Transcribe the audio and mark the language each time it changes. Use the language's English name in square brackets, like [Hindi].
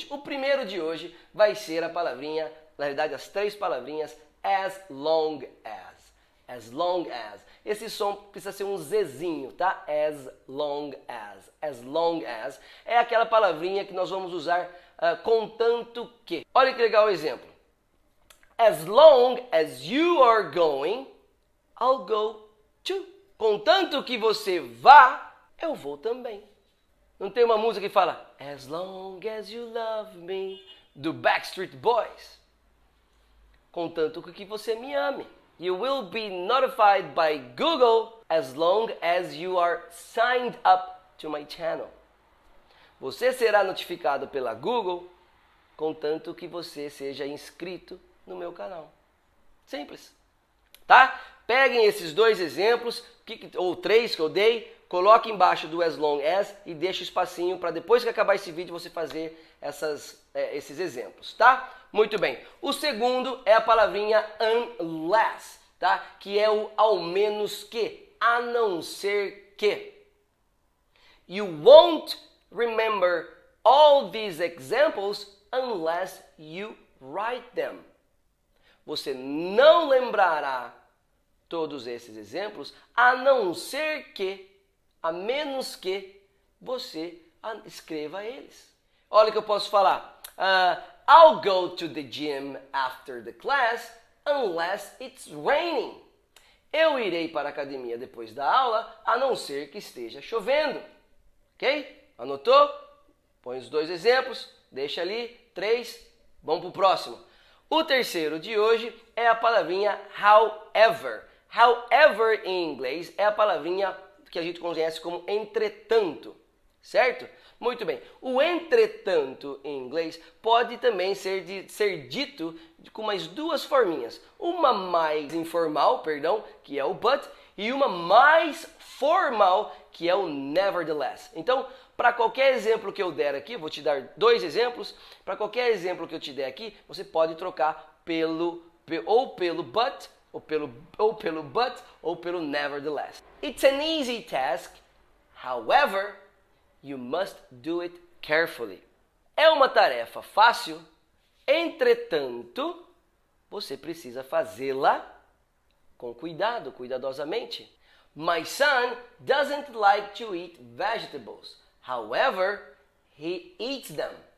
[Portuguese] O primeiro de hoje vai ser a palavrinha, na verdade as três palavrinhas, as long as. [English] As long as. [Portuguese] Esse som precisa ser um zezinho, tá? [English] As long as. As long as. [Portuguese] É aquela palavrinha que nós vamos usar com tanto que. Olha que legal o exemplo. [English] As long as you are going, I'll go too. [Portuguese] Com tanto que você vá, eu vou também. Não tem uma música que fala [English] As long as you love me, [Portuguese] do Backstreet Boys. Contanto que você me ame. [English] You will be notified by Google as long as you are signed up to my channel. [Portuguese] Você será notificado pela Google, contanto que você seja inscrito no meu canal. Simples. Tá? Peguem esses dois exemplos, ou três que eu dei, coloque embaixo do as long as e deixe o espacinho para depois que acabar esse vídeo você fazer esses exemplos, tá? Muito bem. O segundo é a palavrinha unless, tá? Que é o ao menos que, a não ser que. [English] You won't remember all these examples unless you write them. [Portuguese] Você não lembrará todos esses exemplos a não ser que, a menos que você escreva eles. Olha o que eu posso falar. [English] I'll go to the gym after the class unless it's raining. [Portuguese] Eu irei para a academia depois da aula, a não ser que esteja chovendo. Ok? Anotou? Põe os dois exemplos. Deixa ali. Três. Vamos para o próximo. O terceiro de hoje é a palavrinha however. However, em inglês, é a palavrinha que a gente conhece como entretanto, certo? Muito bem. O entretanto em inglês pode também ser dito com mais duas forminhas. Uma mais informal, perdão, que é o but, e uma mais formal, que é o nevertheless. Então, para qualquer exemplo que eu der aqui, vou te dar dois exemplos, para qualquer exemplo que eu te der aqui, você pode trocar pelo but Ou pelo but ou pelo nevertheless. [English] It's an easy task, however, you must do it carefully. [Portuguese] É uma tarefa fácil, entretanto, você precisa fazê-la com cuidado, cuidadosamente. [English] My son doesn't like to eat vegetables, however, he eats them.